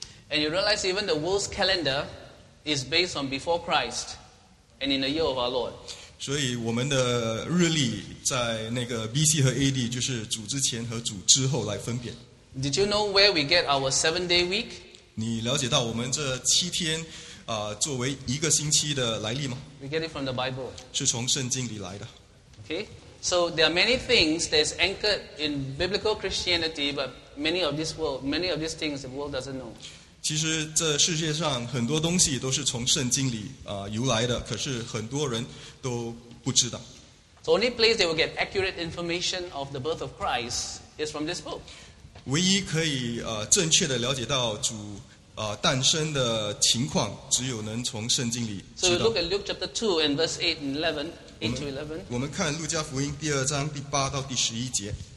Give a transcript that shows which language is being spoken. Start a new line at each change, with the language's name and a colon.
English: And you realize even the world's calendar is based on before Christ and in the year of our Lord.
Chinese: 所以我们的日历在那个 B.C. 和 A.D. 就是主之前和主之后来分辨。
English: Did you know where we get our 7-day week?
Chinese: 你了解到我们这七天作为一个星期的来历吗？
English: We get it from the Bible.
Chinese: 是从圣经里来的。
English: Okay, so there are many things that is anchored in biblical Christianity, but many of these things the world doesn't know.
Chinese: 其实这世界上很多东西都是从圣经里由来的，可是很多人都不知道。
English: So The only place they will get accurate information of the birth of Christ is from this book.
Chinese: 唯一可以正确的了解到主诞生的情况，只有能从圣经里知道。
English: So look at Luke chapter 2 and verse 8 and 11, 8 to 11.
Chinese: 我们看路加福音第二章第八到第十一节。